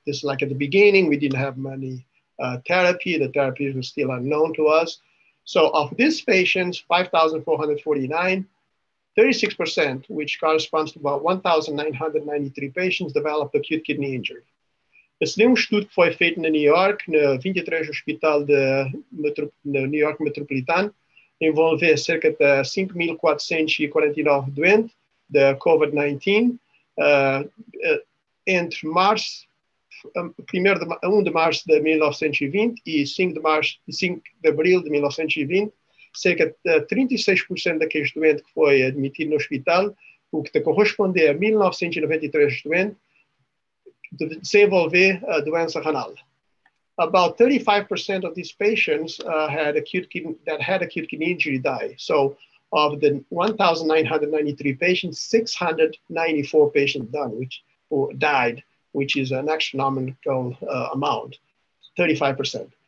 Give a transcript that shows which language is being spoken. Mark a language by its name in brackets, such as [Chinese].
[English] This is like at the beginning, we didn't have many therapy. The therapies were still unknown to us. So of these patients, 5,449, 36%, which corresponds to about 1,993 patients, developed acute kidney injury. [Portuguese] Esse mesmo estudo foi feito na New York, no 23 Hospital de New York Metropolitano, envolveu cerca de 5,449 doentes de COVID-19, entre março, 1 de março de 1920 e 5 de abril de 1920, cerca de 36% daqueles doentes que foi admitido no hospital, o que corresponde a 1993 doentes, desenvolver a doença renal. [English] About 35% of these patients had acute kidney injury die. So of the 1,993 patients, 694 patients died, which is an astronomical amount, 35%.